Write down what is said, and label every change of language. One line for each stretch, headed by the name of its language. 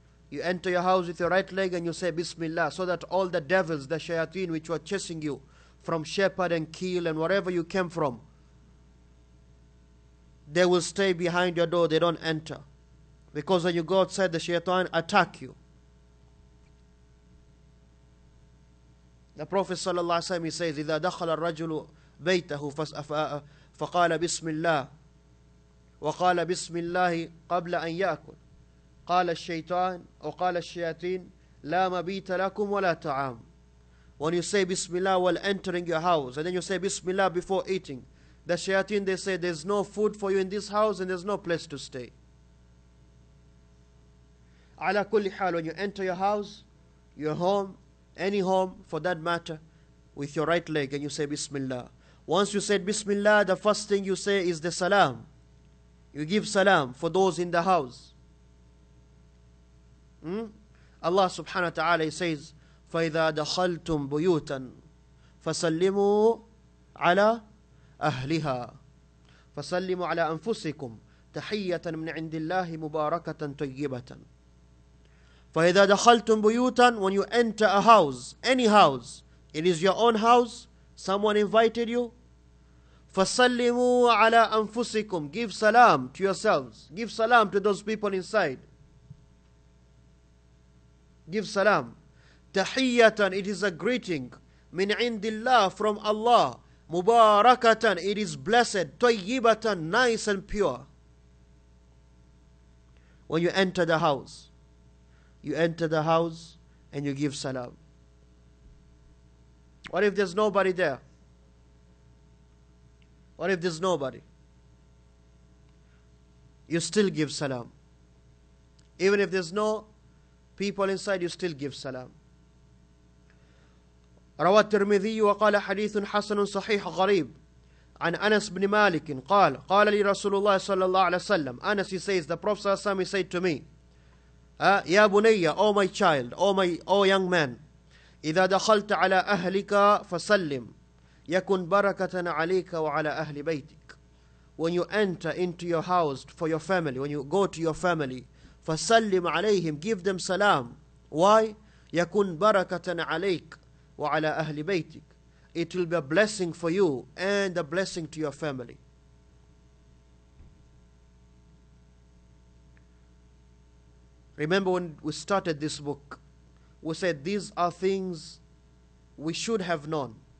English: You enter your house with your right leg and you say Bismillah, so that all the devils, the shayateen, which were chasing you from Shepherd and Keel and wherever you came from, they will stay behind your door. They don't enter. Because when you go outside, the shaitan attack you. The Prophet sallallahu alaihi wasallam, he says,
Arabic: إِذَا دَخَلَ الرَّجُلُ بَيْتَهُ فَقَالَ بِسْمِ اللَّهِ وَقَالَ بِسْمِ اللَّهِ قَبْلَ أَنْ يَأْكُلْ قَالَ الشَّيْطَانُ وَقَالَ الشَّيَاطِينُ لَا مَبِيتَ لَكُمْ وَلَا تَعَامُ.
English: When you say Bismillah while entering your house, and then you say Bismillah before eating, the shayateen, they say, there's no food for you in this house and there's no place to stay.
Arabic: Ala kulli hal,
English: when you enter your house, your home, any home for that matter, with your right leg and you say Bismillah. Once you said Bismillah, the first thing you say is the salam. You give salam for those in the house. Allah subhanahu wa ta'ala, he says,
Arabic: فَإِذَا دَخَلْتُمْ بُيُوتًا فَسَلِّمُوا عَلَىٰ أهلها فسلموا على أنفسكم تحية من عند الله مباركة طيبة. فإذا دخلتم بيوتا,
English: when you enter a house, any house, It is your own house. Someone invited you.
Arabic: Fasallimu ala anfusikum.
English: Give salam to yourselves. Give salam to those people inside. Give salam. Tahiyatan, it is a greeting.
Arabic: Min indillah,
English: from Allah. Mubarakatan, it is blessed. Tayyibatan, nice and pure. When you enter the house, you enter the house and you give salam. What if there's nobody there? What if there's nobody? You still give salam. Even if there's no people inside, you still give salam.
Arabic: روى الترمذي وقال حديث حسن صحيح غريب عن أنس بن مالك قال قال لي رسول الله صلى الله عليه وسلم
English: Anas, he says, the Prophet
Arabic: صلى الله عليه وسلم
English: said to me,
Arabic: يا بني,
English: oh my child, oh young man,
Arabic: إذا دخلت على أهلك فسلم يكن بركة عليك وعلى أهل بيتك.
English: When you enter into your house for your family, when you go to your family,
Arabic: فسلم عليهم,
English: give them salam. Why?
Arabic: يكن بركة عليك وعلى أهل بيتك.
English: It will be a blessing for you and a blessing to your family. Remember when we started this book, we said these are things we should have known.